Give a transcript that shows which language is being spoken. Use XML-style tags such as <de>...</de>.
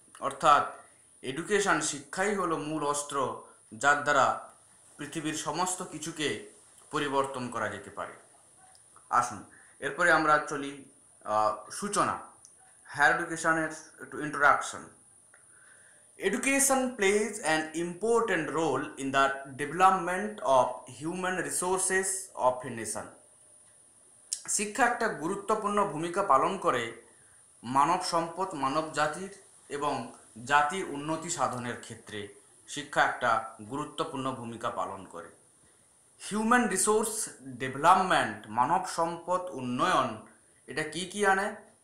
<bn>অর্থাৎ এডুকেশন, শিক্ষাই হলো মূল অস্ত্র যার দ্বারা পৃথিবীর সমস্ত কিছুকে পরিবর্তন করা যেতে পারে। আসুন এরপরে আমরা চলি সূচনা, হায়ার এডুকেশনের একটু introduction.</bn> <en>Education plays an important role in the development of human resources of a nation.</en> <bn>শিক্ষা একটা গুরুত্বপূর্ণ ভূমিকা পালন করে মানব সম্পদ, মানব জাতির এবং জাতির উন্নতি সাধনের ক্ষেত্রে শিক্ষা একটা গুরুত্বপূর্ণ ভূমিকা পালন করে। হিউম্যান রিসোর্স ডেভেলপমেন্ট, মানব সম্পদ উন্নয়ন, এটা কী কী আনে?</bn>